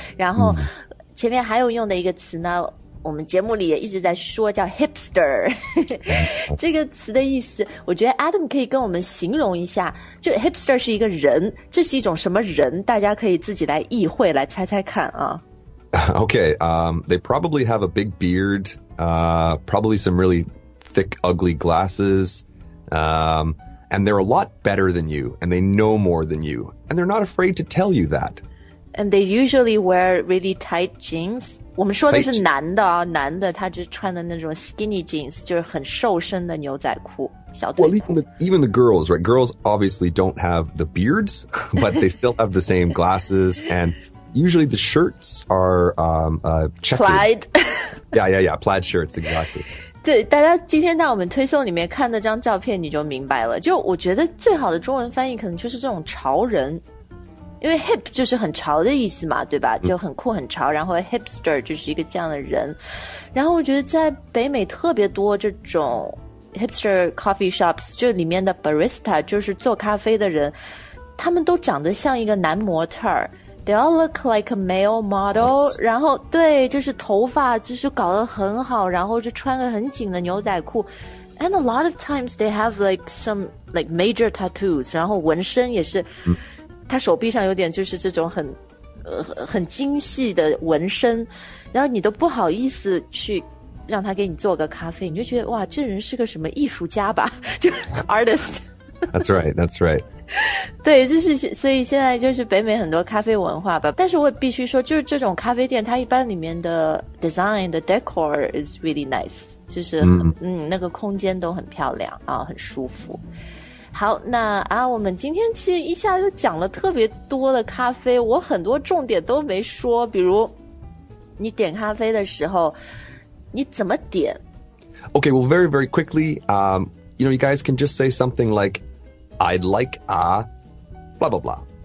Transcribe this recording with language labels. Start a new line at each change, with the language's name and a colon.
Chinese: 然后前面还有用的一个词呢，我们节目里也一直在说叫 hipster。这个词的意思，我觉得 Adam 可以跟我们形容一下，就 hipster 是一个人，这是一种什么人？大家可以自己来意会，来猜猜看啊。
English: Okay, they probably have a big beard, probably some really thick, ugly glasses, and they're a lot better than you, and they know more than you, and they're not afraid to tell you that.
Chinese: And they usually wear really tight jeans. 我们说的是男的啊，男的他就穿的那种 skinny jeans, 就是很瘦身的牛仔裤。
English: Well, even the girls, right? Girls obviously don't have the beards, but they still have the same glasses, and usually the shirts are checkered. Plaid. Yeah, plaid shirts, exactly.
Chinese: 对，大家今天在我们推送里面看那张照片你就明白了。就我觉得最好的中文翻译可能就是这种潮人。因为 hip 就是很潮的意思嘛，对吧？就很酷很潮，然后 hipster 就是一个这样的人。然后我觉得在北美特别多这种 hipster coffee shops, 就里面的 barista, 就是做咖啡的人，他们都长得像一个男模特儿。
English: They all look like a male model.
Chinese: 然后对，就是头发就是搞得很好，然后就穿个很紧的牛仔裤。
English: And a lot of times they have like some like major tattoos.
Chinese: 然后纹身也是，他手臂上有点就是这种很精细的纹身。然后你都不好意思去让他给你做个咖啡，你就觉得哇，这人是个什么艺术家吧，就 artist.
English: That's right. That's right.
Chinese: 对，就是所以现在就是北美很多咖啡文化吧，但是我必须说，就是这种咖啡店它一般里面的 design 的 decor is really nice, 就是那个空间都很漂亮啊，很舒服。好，那啊，我们今天其实一下就讲了特别多的咖啡，我很多重点都没说，比如你点咖啡的时候你怎么点。
English: Okay, well, very very quickly, you know, you guys can just say something likeI'd like a blah, blah, blah.